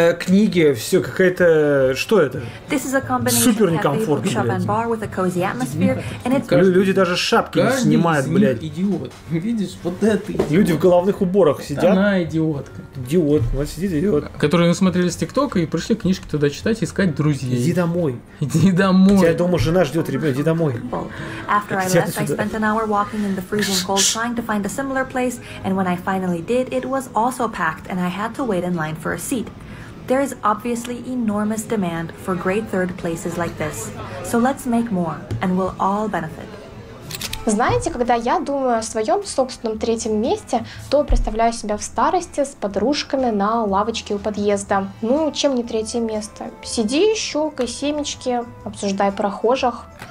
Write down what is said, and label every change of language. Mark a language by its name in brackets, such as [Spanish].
[Russian] Книги, все, какая-то... Что это? Супер некомфортно, блядь. Люди даже шапки не снимают, блядь. Идиот. Видишь, вот это идиот. Люди в головных уборах сидят. Она идиотка. Идиот, вот сидит идиот. Которые смотрели с ТикТока и пришли книжки туда читать и искать друзей. Иди домой. Иди домой. Я дома жена ждет, ребят, иди домой. [English] After I left, I spent an hour walking in the freezing cold, trying to find a similar place, and when I finally did, it was also packed, and I had to wait in line for a seat. There is obviously enormous demand for great third places like this. So let's make more, and we'll all benefit. [Russian] Знаете, когда я думаю о своем собственном третьем месте, то представляю себя в старости с подружками на лавочке у подъезда. Ну, чем не третье место? Сиди, щелкай семечки, обсуждай прохожих.